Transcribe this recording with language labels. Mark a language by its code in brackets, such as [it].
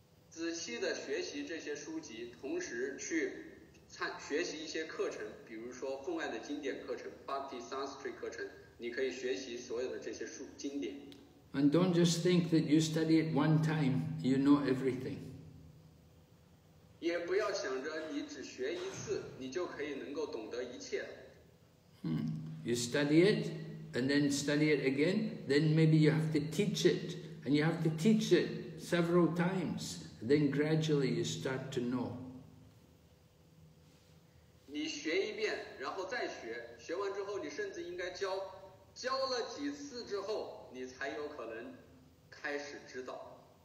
[zh] 仔细地学习这些书籍，同时去学习一些课程，比如说分外的经典课程 [en] Bhakti Shastri [zh] 课程，你可以学习所有的这些书经典。 [en] And don't just think that you study it one time, you know everything. [zh] 也不要想着你只学一次你就可以能够懂得一切。 [en] You study it, and then study it again, then maybe you have to teach it, and you have to teach it several times, then gradually you start to know. [zh] 你学一遍然后再学，学完之后你甚至应该教了几次之后你才有可能开始知道。